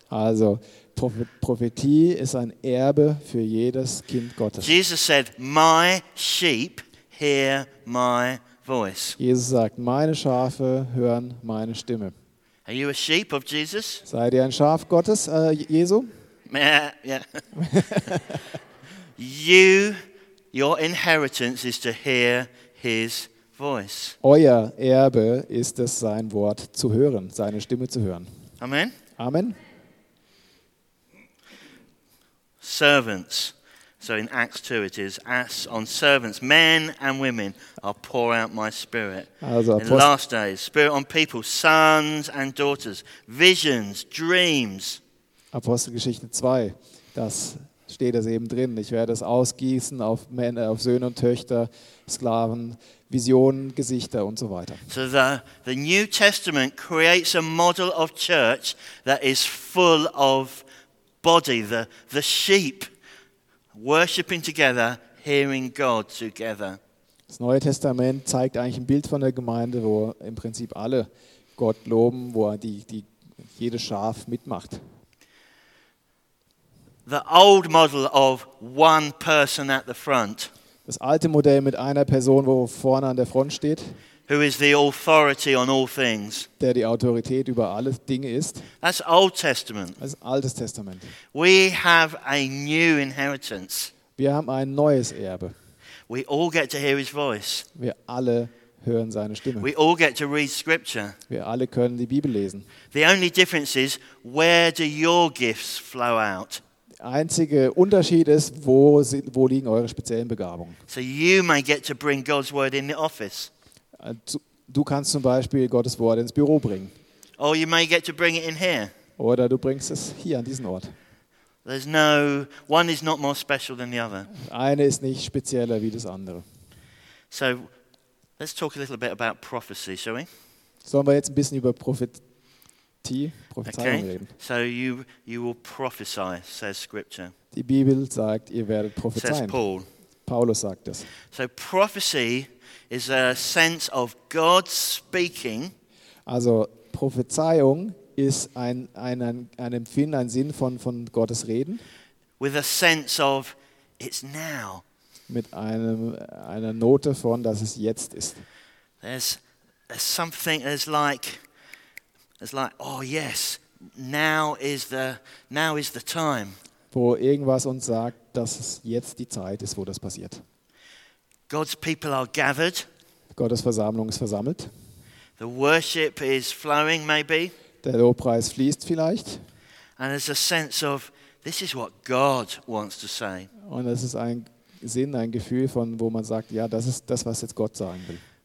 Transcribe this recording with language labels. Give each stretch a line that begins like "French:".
German: Also, Prophetie ist ein Erbe für jedes Kind Gottes.
English: Jesus said, "My sheep hear my voice."
German: Jesus sagt, meine Schafe hören meine Stimme.
English: Are you a sheep of Jesus?
German: Seid ihr ein Schaf Gottes, Jesu?
English: Yeah. You, your inheritance is to hear His voice.
German: Euer Erbe ist es, sein Wort zu hören, seine Stimme zu hören.
English: Amen.
German: Amen.
English: Servants. So in Acts 2 it is, as on servants, men and women, I'll pour out my spirit.
German: Also
English: in the last days, spirit on people, sons and daughters, visions, dreams.
German: Apostelgeschichte 2, das steht es eben drin. Ich werde es ausgießen auf Männer, auf Söhne und Töchter, Sklaven, Visionen, Gesichter und so weiter.
English: So the New Testament creates a model of church that is full of body, the sheep. Worshipping together, hearing God together.
German: Das Neue Testament zeigt eigentlich ein Bild von der Gemeinde, wo im Prinzip alle Gott loben, wo die jede Schaf mitmacht.
English: The old model of one person at the front.
German: Das alte Modell mit einer Person, wo vorne an der Front steht.
English: Who is the authority on all things?
German: Der die Autorität über alle Dinge ist.
English: That's Old Testament.
German: Das Altes Testament.
English: We have a new inheritance.
German: Wir haben ein neues Erbe.
English: We all get to hear His voice.
German: Wir alle hören seine Stimme.
English: We all get to read Scripture.
German: Wir alle können die Bibel lesen.
English: The only difference is, where do your gifts flow out?
German: Der einzige Unterschied ist, wo liegen eure speziellen Begabungen?
English: So you may get to bring God's word in the office.
German: Du kannst zum Beispiel Gottes Wort ins Büro bringen.
English: Or you may get to bring it in here.
German: Oder du bringst es hier an diesen Ort.
English: There's no one is not more special than the other.
German: Eine ist nicht spezieller wie das andere.
English: So, let's talk a little bit about prophecy, shall we?
German: Sollen wir jetzt ein bisschen über Prophezeiung reden?
English: Okay. So you will prophesy, says Scripture.
German: Die Bibel sagt, ihr werdet prophezeien.
English: Says Paul.
German: Paulus sagt das.
English: So prophecy is a sense of God speaking.
German: Also Prophezeiung ist ein Empfinden, ein Sinn von Gottes Reden.
English: With a sense of it's now.
German: Mit einer Note von, dass es jetzt ist.
English: There's something that's like, it's like, oh yes, now is the time.
German: Wo irgendwas uns sagt, dass es jetzt die Zeit ist, wo das passiert.
English: God's people are gathered.
German: Gottes Versammlung ist versammelt.
English: The worship is flowing, maybe.
German: Der Lobpreis fließt vielleicht.
English: And there's a sense of this is what God wants to say.
German: Und es ist ein Sinn, ein Gefühl von, wo man sagt, ja, das ist das, was jetzt Gott sagen will.